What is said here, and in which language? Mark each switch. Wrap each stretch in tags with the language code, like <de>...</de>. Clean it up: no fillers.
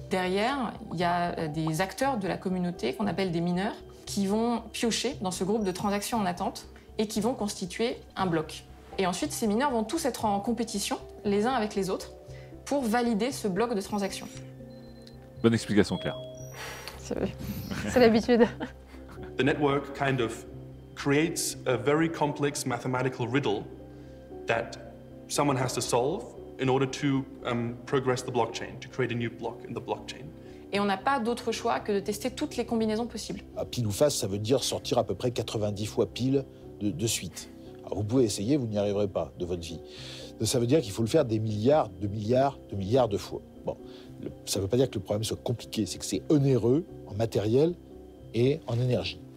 <fr>Derrière, il y a des acteurs de la communauté qu'on appelle des mineurs qui vont piocher dans ce groupe de transactions en attente et qui vont constituer un bloc. Et ensuite, ces mineurs vont tous être en compétition les uns avec les autres pour valider ce bloc de transactions. Bonne explication, Claire. C'est l'habitude.</fr> <en>The network kind of creates a very complex mathematical riddle that someone has to solve in order to progress the blockchain, to create a new block in the blockchain.</en> <fr>Et on n'a pas d'autre choix que de tester toutes les combinaisons possibles. À pile ou face, ça veut dire sortir à peu près 90 fois pile de suite. Alors vous pouvez essayer, vous n'y arriverez pas de votre vie. Donc ça veut dire qu'il faut le faire des milliards, de milliards, de milliards de fois. Bon, ça ne veut pas dire que le problème soit compliqué, c'est que c'est onéreux en matériel et en énergie.</fr>